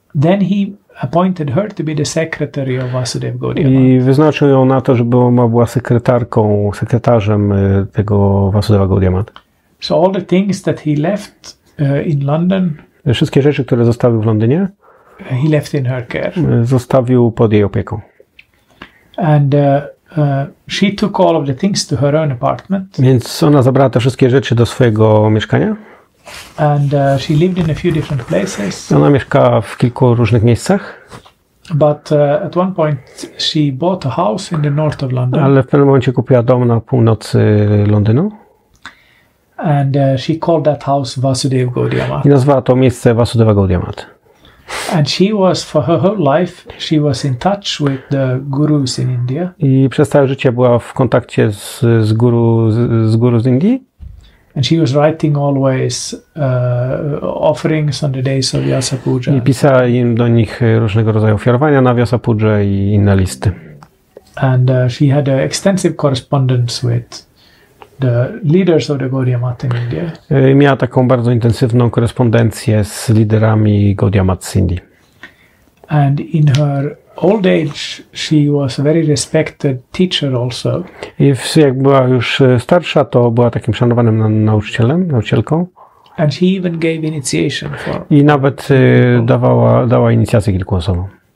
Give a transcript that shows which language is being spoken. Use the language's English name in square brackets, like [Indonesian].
[English] then he appointed her to be the secretary of Vasudev Gaudiya [Polish] Mat. I wyznaczył ją na to, żeby ona była sekretarką, sekretarzem tego Vasudeva Gaudiya Mat. [English] So all the things that he left in London, [Polish] wszystkie rzeczy, które zostawił w Londynie, [English] he left in her care. [Polish] Zostawił pod jej opieką. [English] And she took all of the things to her own apartment. [Polish] Więc ona zabrała te wszystkie rzeczy do swojego mieszkania. [English] And she lived in a few different places. [Polish] Ona mieszkała w kilku różnych miejscach. [English] But at one point she bought a house in the north of London. [Polish] Ale w pewnym momencie kupiła dom na północy Londynu. [English] And she called that house Vasudev Gaudiya Mat. [Polish] I nazwała to miejsce Vasudeva Gaudiya Mat. [English] And she was for her whole life she was in touch with the gurus in India. [Polish] I przez całe życie była w kontakcie z guru z Indii. [English] And she was writing always offerings on the days of Vyasa Puja. [Polish] I pisała im do nich różnego rodzaju ofiarowania na Vyasa Puja i inne listy. [English] And she had an extensive correspondence with the leaders of the Gaudiya Mat in India. [Polish] Miała taką bardzo intensywną korespondencję z liderami Gaudiya Mat z Indii. [English] And in her old age she was a very respected teacher also. [Polish] I jak była już starsza, to była takim szanowanym nauczycielem, nauczycielką. [English] And she even gave initiation for. [Polish] I nawet dała inicjację kilku osobom.